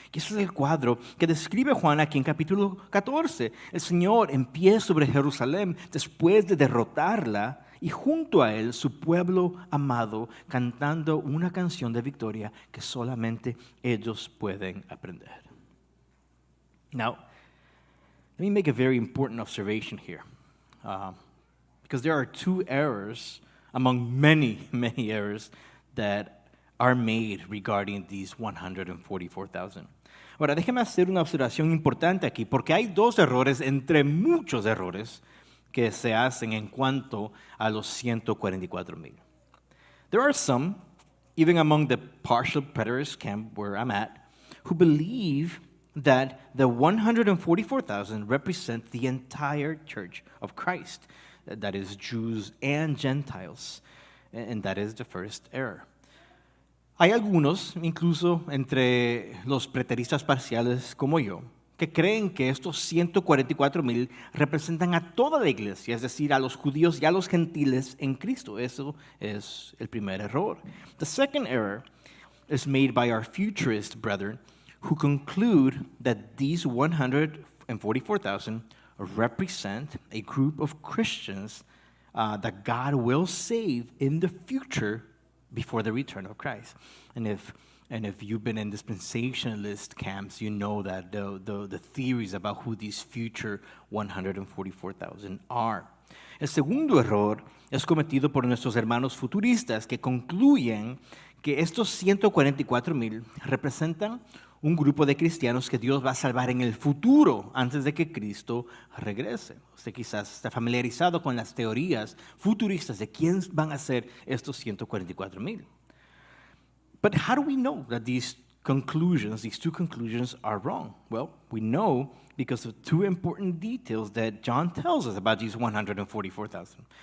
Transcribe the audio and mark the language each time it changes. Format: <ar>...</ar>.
<es>Y ese es el cuadro que describe Juan aquí en capítulo 14. El Señor en pie sobre Jerusalén después de derrotarla, y junto a él, su pueblo amado, cantando una canción de victoria que solamente ellos pueden aprender.</es> <en>Now, let me make a very important observation here. Because there are two errors among many, many errors that are made regarding these 144,000.</en> <es>Ahora, déjeme hacer una observación importante aquí, porque hay dos errores entre muchos errores que se hacen en cuanto a los 144,000.</es> <en>There are some, even among the partial preterist camp where I'm at, who believe that the 144,000 represent the entire church of Christ, that is Jews and Gentiles, and that is the first error.</en> <es>Hay algunos, incluso entre los preteristas parciales como yo, que creen que estos 144,000 representan a toda la iglesia, es decir, a los judíos y a los gentiles en Cristo. Eso es el primer error.</es> <en>The second error is made by our futurist brethren who conclude that these 144,000 represent a group of Christians that God will save in the future before the return of Christ. And if you've been in dispensationalist camps, you know that the theories about who these future 144,000 are.</en> <es>El segundo error es cometido por nuestros hermanos futuristas que concluyen que estos 144,000 representan un grupo de cristianos que Dios va a salvar en el futuro antes de que Cristo regrese. Usted quizás está familiarizado con las teorías futuristas de quién van a ser estos 144,000.</es> <en>But how do we know that these two conclusions are wrong? Well, we know because of two important details that John tells us about these 144,000.</en>